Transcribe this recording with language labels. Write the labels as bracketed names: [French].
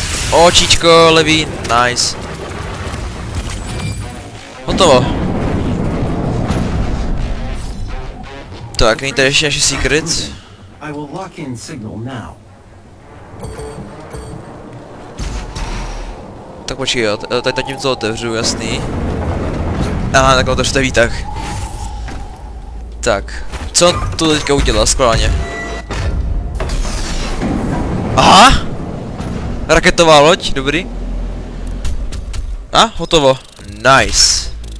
[Czech] Očíčko levý, nice. Hotovo. Tak, není tady ještě naše secret. [English] I will lock in signal now. [Czech] Tak počkej jo, tady tím co otevřu, jasný. Aha, takhle otevřte výtah. Tak, co on tu teďka udělal, skválně? Aha! Raketová loď, dobrý. A, hotovo. Nice.